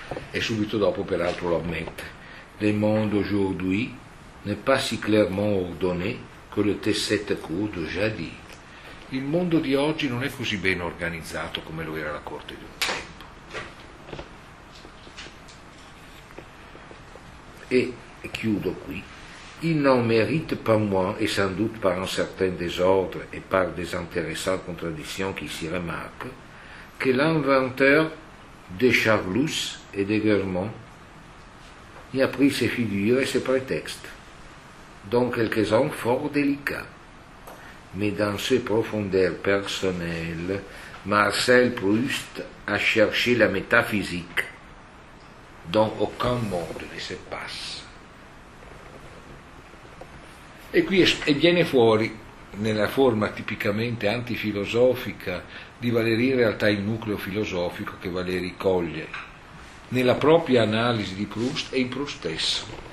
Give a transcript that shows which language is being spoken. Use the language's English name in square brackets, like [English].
[Italian] E subito dopo, peraltro, lo ammette: [French] Le monde aujourd'hui n'est pas si clairement ordonné que le T7 court déjà dit. [Italian] Il mondo di oggi non è così ben organizzato come lo era la corte di un tempo. E chiudo qui. [French] Il n'en mérite pas moins, et sans doute par un certain désordre et par des intéressantes contradictions qui s'y remarquent, que l'inventeur de Charlus et de Guermont y a pris ses figures et ses prétextes, dont quelques-uns fort délicats. Mais dans ses profondeurs personnelles, Marcel Proust a cherché la métaphysique dont aucun monde ne se passe. [Italian] E qui e viene fuori, nella forma tipicamente antifilosofica, di Valéry in realtà il nucleo filosofico che Valéry coglie nella propria analisi di Proust e in Proust stesso.